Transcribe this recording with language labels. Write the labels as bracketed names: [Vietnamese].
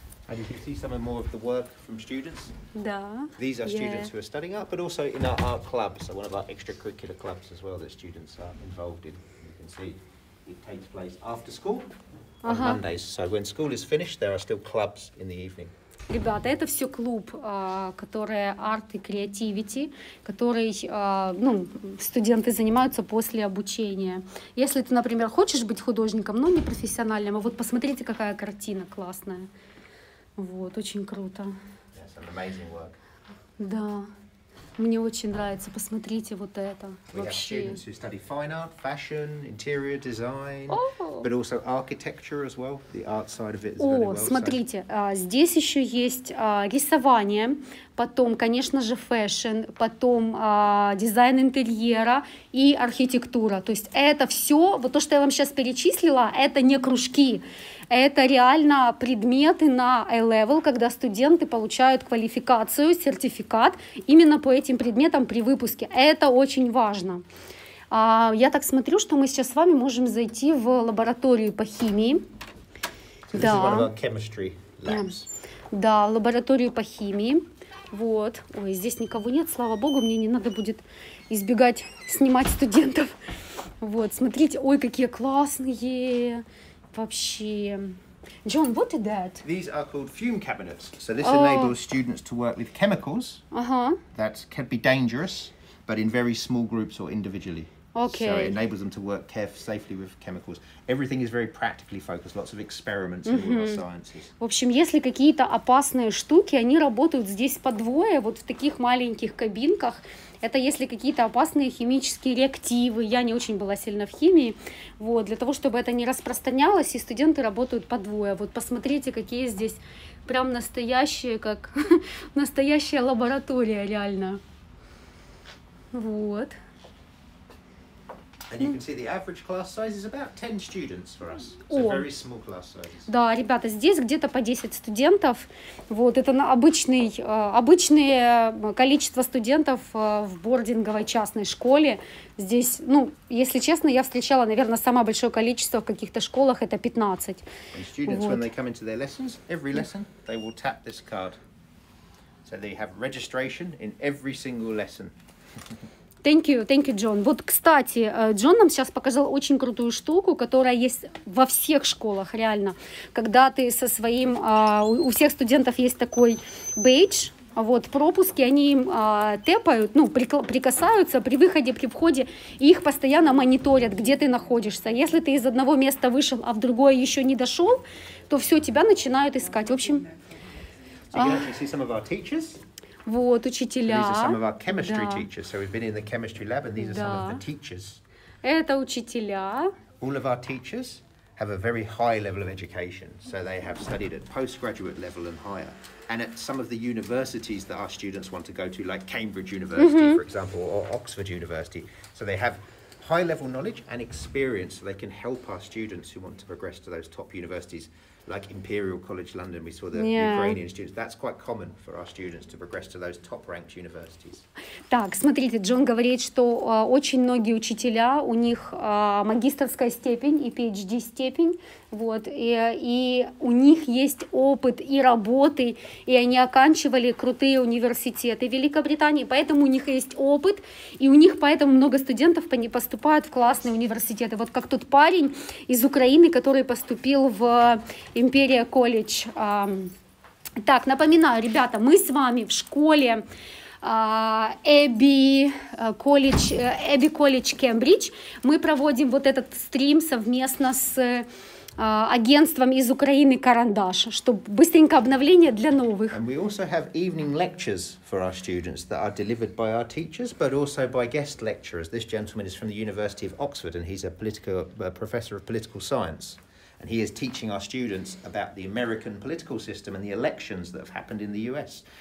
[English] And you can see some more of the work from students. [Russian] Да. [English] These are students who are studying art, but also in our art club, so one of our extracurricular clubs as well that students are involved in. You can see it takes place after school on Mondays. So when school is finished, there are still clubs in the evening. [Russian] Ребята, это все клуб, который арт и креативити, который ну, студенты занимаются после обучения. Если ты, например, хочешь быть художником, но не профессиональным, а вот посмотрите, какая картина классная. Вот, очень круто. [English] Yes, an amazing work. [Russian] Да, мне очень нравится. Посмотрите вот это. [English] We [Russian] вообще. [English] Have students who study fine art, fashion, interior design, but also architecture as well. The art side of it is very well. [Russian] О, смотрите, здесь еще есть рисование, потом, конечно же, фэшн, потом дизайн интерьера и архитектура. То есть это все, вот то, что я вам сейчас перечислила, это не кружки. Это реально предметы на A-level, когда студенты получают квалификацию, сертификат именно по этим предметам при выпуске. Это очень важно. Я так смотрю, что мы сейчас с вами можем зайти в лабораторию по химии. [English] So this is one of our chemistry labs. [Russian] Да, лабораторию по химии. Вот. Ой, здесь никого нет, слава богу, мне не надо будет избегать снимать студентов. Вот, смотрите, ой, какие классные... Вообще. [English] John, what is that? These are called fume cabinets. So this enables students to work with chemicals that can be dangerous, but in very small groups or individually. Okay. So it enables them to work safely with chemicals. Everything is very practically focused, lots of experiments in all our sciences. [Russian] В общем, если какие-то опасные штуки, они работают здесь по двое, вот в таких маленьких кабинках. Это если какие-то опасные химические реактивы. Я не очень была сильно в химии. Вот, для того, чтобы это не распространялось, и студенты работают по двое. Вот посмотрите, какие здесь прям настоящие, как настоящая лаборатория реально. Вот. [English] And you can see the average class size is about 10 students for us. So very small class size. [Russian] Да, ребята, здесь где-то по 10 студентов. Вот, это на обычное количество студентов в бординговой частной школе. Здесь, ну, если честно, я встречала, наверное, самое большое количество в каких-то школах, это 15. [English] And students, [Russian] вот. [English] When they come into their lessons, every lesson, they will tap this card. So they have registration in every single lesson. Thank you, Джон. [Russian] Вот, кстати, Джон нам сейчас показал очень крутую штуку, которая есть во всех школах, реально. Когда ты со своим... У всех студентов есть такой бейдж, вот, пропуски, они им тэпают, ну, прикасаются при выходе, при входе, и их постоянно мониторят, где ты находишься. Если ты из одного места вышел, а в другое еще не дошел, то все, тебя начинают искать. В общем... Вот, учителя. [English] These are some of our chemistry teachers. So we've been in the chemistry lab, and these are some of the teachers. [Russian] Это учителя. [English] All of our teachers have a very high level of education. So they have studied at postgraduate level and higher. And at some of the universities that our students want to go to, like Cambridge University, for example, or Oxford University. So they have high level knowledge and experience. So they can help our students who want to progress to those top universities. Like Imperial College London, we saw the Ukrainian students. That's quite common for our students to progress to those top-ranked universities. [Russian] Так, смотрите, Джон говорит, что очень многие учителя, у них магистерская степень и PhD степень, вот, и у них есть опыт и работы, и они оканчивали крутые университеты Великобритании, поэтому у них есть опыт, и у них поэтому много студентов поступают в классные университеты. Вот как тот парень из Украины, который поступил в Imperial College. Так, напоминаю, ребята, мы с вами в школе Abbey College Cambridge. Мы проводим вот этот стрим совместно с агентством из Украины «Карандаш», чтобы быстренько обновление для новых. [English] And we also have evening lectures for our students that are delivered by our teachers, but also by guest lecturers. This gentleman is from the University of Oxford, and he's a professor of political science. And he is teaching our students about the American political system and the elections that have happened in the US.